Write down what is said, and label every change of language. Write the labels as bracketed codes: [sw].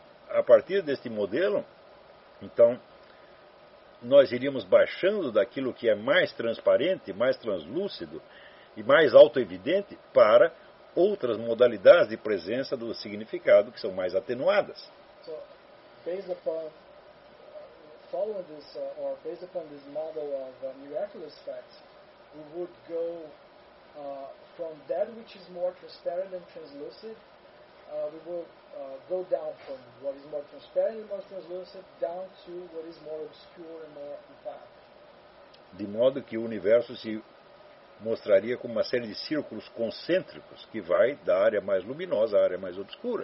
[pt] A partir deste modelo, então, nós iríamos baixando daquilo que é mais transparente, mais translúcido e mais auto-evidente para outras modalidades de presença do significado que são mais atenuadas. [en] So, based upon following this, or based upon this model of miraculous facts, we would go from that which is more transparent and translucent, we will go down from what is more transparent and more translucent down to what is more obscure and more opaque. [pt] De modo que o universo se mostraria como uma série de círculos concêntricos que vai da área mais luminosa à área mais obscura.